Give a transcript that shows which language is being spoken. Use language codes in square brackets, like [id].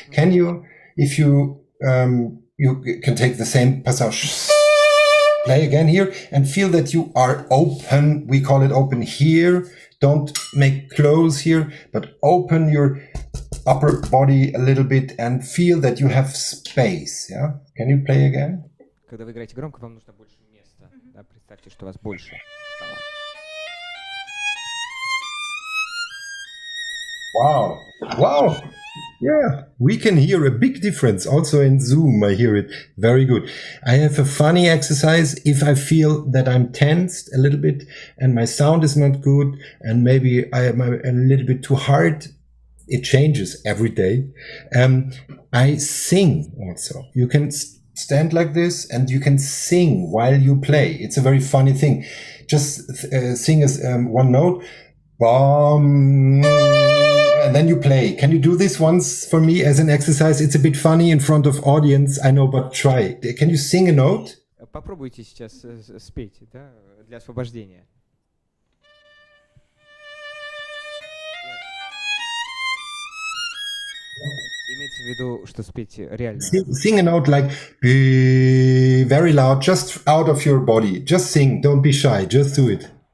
[en] Can you, if you, you can take the same passage. Play again here and feel that you are open. We call it open here. Don't make close here, but open your upper body a little bit and feel that you have space. Yeah. Can you play again? [ru] Когда вы играете громко, вам нужно больше места. Да, представьте, что вас больше. [en] Wow. Wow. Yeah, we can hear a big difference. Also in Zoom, I hear it very good. I have a funny exercise. If I feel that I'm tensed a little bit and my sound is not good and maybe I am a little bit too hard, it changes every day. I sing also. You can stand like this and you can sing while you play. It's a very funny thing. Just sing as one note. Bum. And then you play. Can you do this once for me as an exercise? It's a bit funny in front of audience, I know, but try. Can you sing a note? [ru] Попробуйте сейчас спеть, да, для освобождения. Имейте в виду, что спеть реально. [en] Sing a note like very loud, just out of your body. Just sing, don't be shy, just do it.